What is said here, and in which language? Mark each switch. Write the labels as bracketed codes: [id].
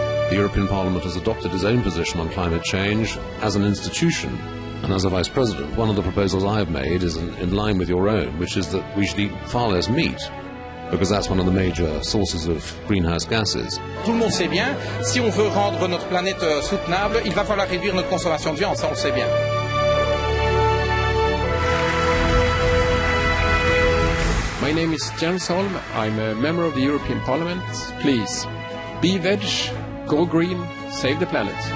[en] The European Parliament has adopted its own position on climate change as an institution. And as a vice president, one of the proposals I have made is in line with your own, which is that we should eat far less meat, because that's one of the major sources of greenhouse gases. [fr] Tout le monde sait bien, si on veut rendre notre planète soutenable, il va falloir réduire notre consommation de viande, ça on sait bien. [en] My name is Jens Holm, I'm a member of the European Parliament. Please, be veg, go green, save the planet.